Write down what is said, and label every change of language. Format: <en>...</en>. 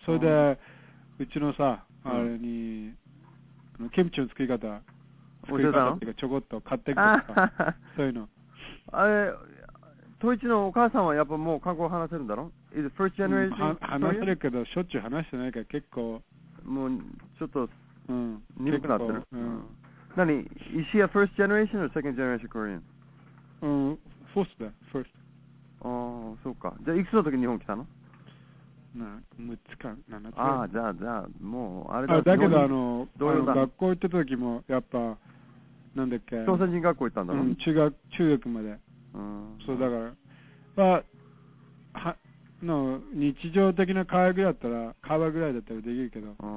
<ja>それで、うちのさ、あれに、うん、キムチの作り方、教えたの？ちょこっと買ってきたとか、そういうの。あれ、トイチのお母さんはやっぱもう韓国話せるんだろ？</ja> <en>Is first generation？</en> <ja>話せるけど、しょっちゅう話してないから結構。もう、ちょっと、うん、鈍くなってる。うん。何？</ja> <en>Is she a first generation or second generation Korean？</en> <ja>うん、</ja> <en>fourth</en> <ja>だ、</ja> <en>first。</en> <ja>ああ、そうか。じゃあ、いくつの時日本来たの？な6つか7つか。ああ、じゃあ、もう、あれだ、だけど、どういうの？学校行った時も、やっぱ、なんだっけ。朝鮮人学校行ったんだろ？うん、中学まで。うん。そう、だから、まあ、日常的な会話ぐらいだったらできるけど。</ja>